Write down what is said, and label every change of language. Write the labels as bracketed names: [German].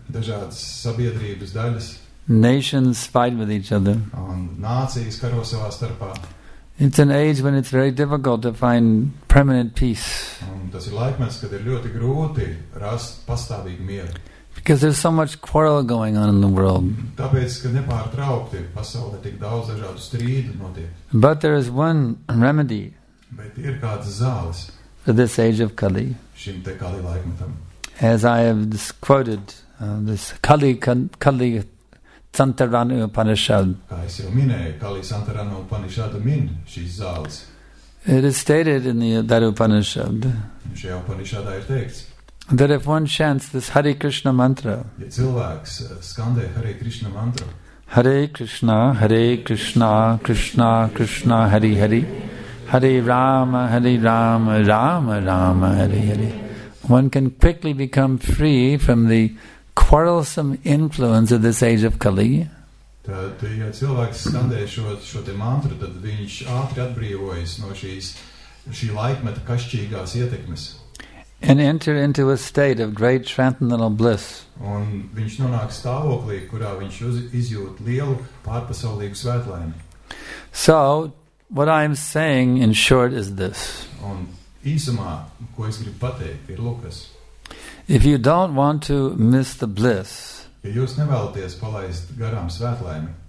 [Latvian] Dažādas sabiedrības daļas. [English] Nations fight with each other. [Latvian] Un nācijas karo savā starpā. [English] It's an age when it's very difficult to find permanent peace. [Latvian] Un tas ir laikmets, kad ir ļoti grūti rast pastāvīgu mieru. [English] Because there's so much quarrel going on in the world. [Latvian] Tāpēc, ka nepārtraukti pasaulē tik daudz dažādu strīdu notiek. [English] But there is one remedy. [Latvian] Bet ir kāds zāles. [English] For this age of Kali. [Latvian] Šim te Kali laikmetam. [English] As I have just quoted this Kali Santarana Upanishad. [Latvian] Kā es jau minēju, Kali Santarana Upanishada min šīs zāles. [English] It is stated in that Upanishad. [Latvian] Šajā Upanishadā ir teikts. [English] That if one chants this Hare Krishna mantra, [Latvian] ja cilvēks skandē Hare Krishna mantra, [English] Hare Krishna, Krishna, Krishna, Hare Hare, Hare Rama, Rama, Rama, Hare Hare, one can quickly become free from the quarrelsome influence of this age of Kali. [Latvian] Tad, ja cilvēks skandē šo te mantru, tad viņš ātri atbrīvojas no šī laikmeta kašķīgās ietekmes. [English] And enter into a state of great transcendental bliss. [Latvian] Un viņš nonāk stāvoklī, kurā viņš izjūt lielu pārpasaulīgu svētlaimi. [English] So, what I am saying in short is this. [Latvian] Un īsumā, ko es gribu pateikt, ir lukas. [English] If you don't want to miss the bliss, [Latvian] ja jūs nevēlaties palaist garām svētlaimi,